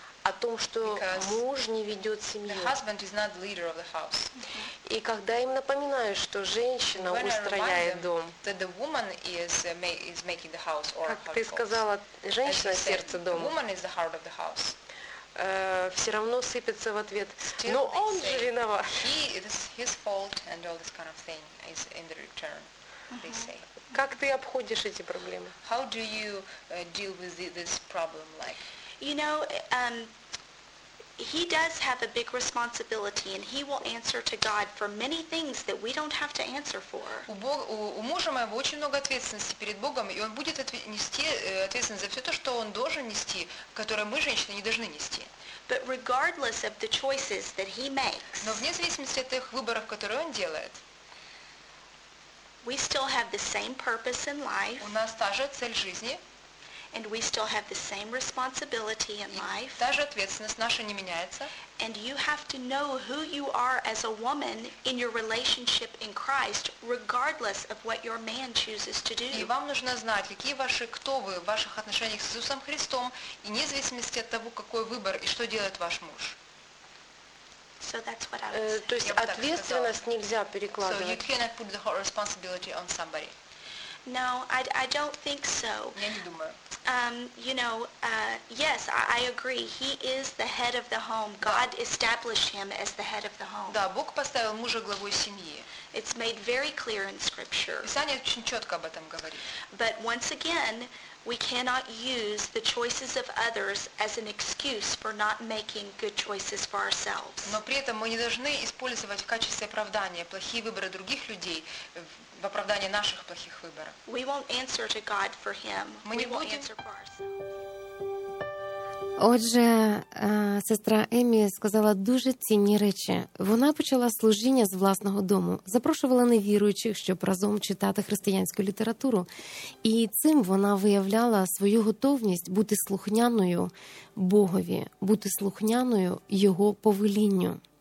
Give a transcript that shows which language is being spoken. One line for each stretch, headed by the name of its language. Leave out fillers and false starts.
Russian: О том, что муж не ведет семью.
English: The husband is not the leader of the house.
Russian: И когда им напоминаю, что женщина устрояет дом,
English: that the woman is making the house or
Russian: как ты сказала, женщина сердце дома.
English: The woman is the heart of the house.
Russian: Все равно сыпется в ответ. Но он же виноват.
English: He is his fault and all this kind of thing is in the return. They say.
Russian: Как ты обходишь эти проблемы?
English: How do you deal with this problem like? You know, he does have a big responsibility, and he will answer to God for many things that we don't have to answer for.
Russian: У мужа моего очень много ответственности перед Богом, и он будет нести ответственность за все то, что он должен нести, которое мы женщины не должны нести.
English: But regardless of the choices that he makes,
Russian: но вне зависимости от тех выборов, которые он делает,
English: we still have the same purpose in life.
Russian: У нас та же цель жизни.
English: And we still have the same responsibility in life.
Russian: Та же ответственность наша не меняется.
English: And you have to know who you are as a woman in your relationship in Christ, regardless of what your man chooses to do.
Russian: И вам нужно знать, какие ваши, кто вы в ваших отношениях с Иисусом Христом, и вне зависимости от того, какой выбор и что делает ваш муж.
English: So that's what I was.
Russian: То есть ответственность нельзя перекладывать.
English: So you cannot put the whole responsibility on somebody. No, I don't think so.
Russian: Я не думаю.
English: You know, yes, I agree. He is the head of the home. God established him as the head of the home.
Russian: Да, Бог поставил мужа главой семьи.
English: It's made very clear in Scripture.
Russian: Писание очень четко об этом говорит.
English: But once again, we cannot use the choices of others as an excuse for not making good choices for ourselves.
Russian: Но при этом мы не должны использовать в качестве оправдания плохие выборы других людей в оправдании наших плохих выборов.
English: We won't answer to God for him.
Russian: Мы не будем.
Ukrainian: Отже, сестра Емі сказала дуже цінні речі. Вона почала служіння з власного дому, запрошувала невіруючих, щоб разом читати християнську літературу. І цим вона виявляла свою готовність бути слухняною Богові, бути слухняною Його повелінню.